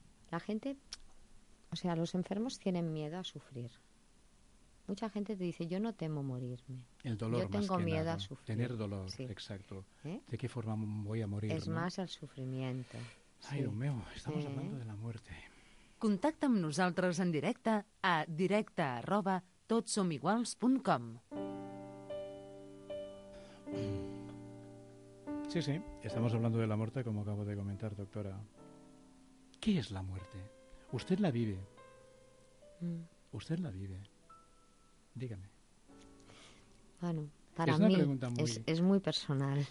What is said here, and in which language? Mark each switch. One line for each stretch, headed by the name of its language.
Spanish: La gente, o sea, los enfermos tienen miedo a sufrir. Mucha gente te dice, yo no temo morirme. El dolor, yo tengo más que miedo nada, a sufrir. Tener dolor, sí. Exacto. ¿Eh? ¿De qué forma voy a morir? Es, ¿no? Más al sufrimiento. Ay, Dios mío, estamos hablando de la muerte.
Catalan: Contacta amb nosaltres en directe a directe@totsomiguals.com.
Spanish: Sí, sí, estamos hablando de la muerte, como acabo de comentar, doctora. ¿Qué es la muerte? Usted la vive. Usted la vive. Dígame. Bueno, para mí es muy personal.